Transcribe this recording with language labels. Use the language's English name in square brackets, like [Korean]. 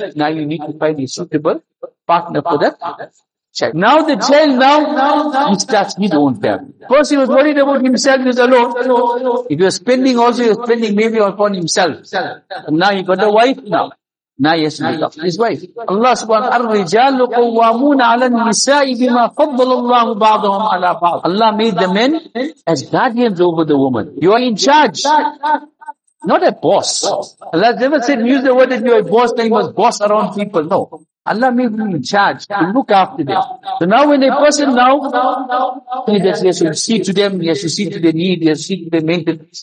[English] Now you need to find a suitable partner for that child. Now the child now he starts his own family. First he was worried about himself, he was alone. If he was spending also, he was spending maybe upon himself. And now he got a wife now. Now he has to look after his wife. [Arabic] Allah subhanahu wa ta'ala, الرِّجَالُ قَوَّامُونَ عَلَى النِّسَاءِ بِمَا فَضَّلَ اللَّهُ بَعْضَهُمْ عَلَى بَعْضٍ. [English] Allah made the men as guardians over the woman. You are in charge, not a boss. Allah never said, use the word that you are a boss, then you must boss around people. No. Allah made you in charge to look after them. So now when a person he has to see to them, he has to see to their need, he has to see to their maintenance.